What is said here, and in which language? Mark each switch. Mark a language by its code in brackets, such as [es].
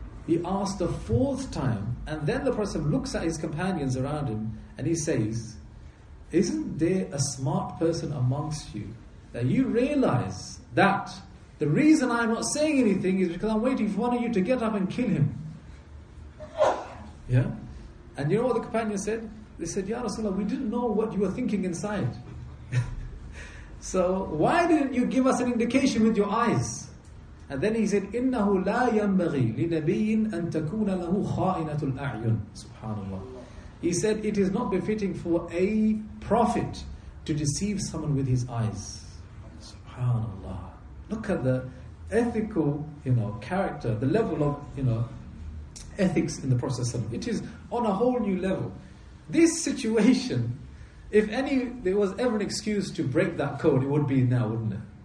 [en] He asks a fourth time, and then the Prophet looks at his companions around him, and he says, isn't there a smart person amongst you that you realize that the reason I'm not saying anything is because I'm waiting for one of you to get up and kill him? Yeah? And you know what the companion said? They said, Ya Rasulullah, we didn't know what you were thinking inside. So why didn't you give us an indication with your eyes? And then he said, [ar] إِنَّهُ لَا يَنْبَغِي لِنَبِيٍ أَن تَكُونَ لَهُ خَائِنَةُ الْأَعْيُنِ SubhanAllah. [en] He said, it is not befitting for a prophet to deceive someone with his eyes. SubhanAllah. Look at the ethical, you know, character, the level of, you know, ethics in the Prophet. It is on a whole new level. This situation, if any, there was ever an excuse to break that code, it would be now, wouldn't it?